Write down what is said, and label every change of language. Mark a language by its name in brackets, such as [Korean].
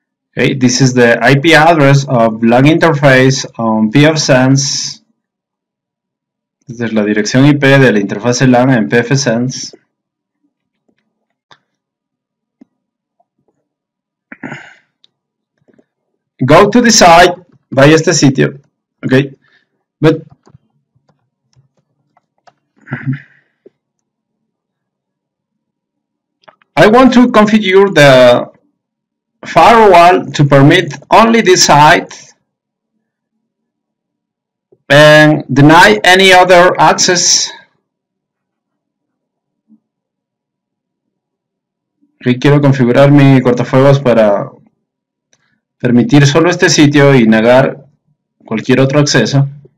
[English] Okay, this is the IP address of LAN interface on PFSense. [Spanish] Esta es la dirección IP de la interfaz de LAN en PFSense. [English] Go to the site, [Spanish] vaya a este sitio. [English] Okay. But I want to configure the firewall to permit only this site and deny any other access. [Spanish] Y quiero configurar mi cortafuegos para permitir solo este sitio y negar cualquier otro acceso.